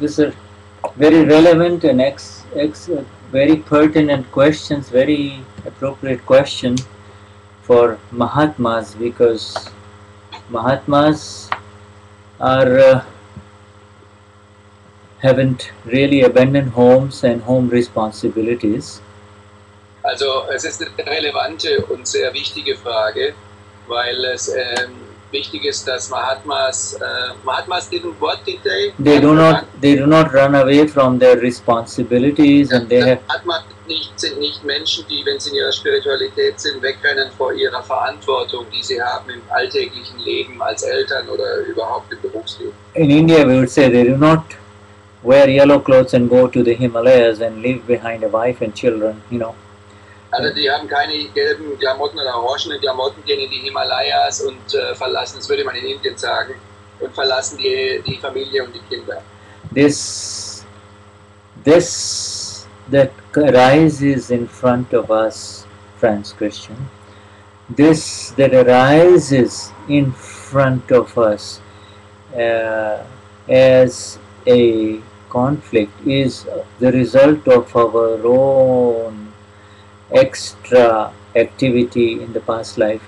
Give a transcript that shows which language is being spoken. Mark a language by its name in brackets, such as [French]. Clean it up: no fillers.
[English] This is very relevant and very pertinent questions, very appropriate question for Mahatmas because Mahatmas haven't really abandoned homes and home responsibilities. [German] Also, es ist eine relevante und sehr wichtige Frage, weil es wichtig ist, dass Mahatmas [English] didn't what did they? They do not run away from their responsibilities and they have. [German] Mahatmas sind nicht Menschen, die, wenn sie in ihrer Spiritualität sind, wegrennen vor ihrer Verantwortung, die sie haben im alltäglichen Leben als Eltern oder überhaupt im Berufsleben. [English] In India, we would say they do not wear yellow clothes and go to the Himalayas and leave behind a wife and children, you know. [German] Also die haben keine gelben Klamotten oder orangenen Klamotten, gehen in die Himalayas und verlassen, das würde man in Indien sagen, und verlassen die Familie und die Kinder. [English] this that arises in front of us, friends Christian, this that arises in front of us as a conflict is the result of our own extra activity in the past life.